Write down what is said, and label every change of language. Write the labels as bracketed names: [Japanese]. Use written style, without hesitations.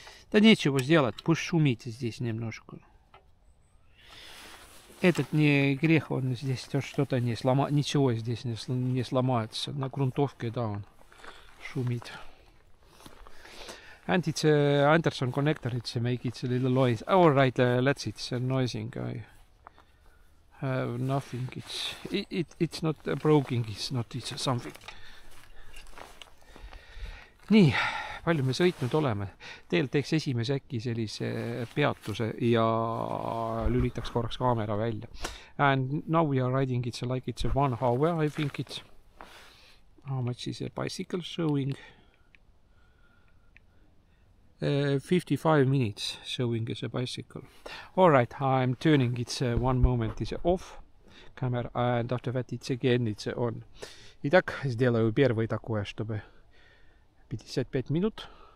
[Russian] Да нечего сделать, пусть шумит здесь немножко. Этот не грех, он здесь то что-то не сломает. Ничего здесь не сломается. На грунтовке, да, он шумит. [English] And it's a Anderson connector, it's a make it a little noise. All right, let's it, it's a noisy guy. Nothing, it's not broken, it's not, it's something. [Estonian] Nii, palju me sõitnud oleme. Teel teeks esimese äkki sellise peatuse ja lülitaks korraks kaamera välja. [English] And now we are riding, it's like it's 1 hour, I think it's... How much is a bicycle showing? 55 minutes showing as a bicycle. All right, I'm turning it's one moment is off camera and after that it's again it's on. [Russian] Итак, сделаю первое такое, чтобы 55 минут.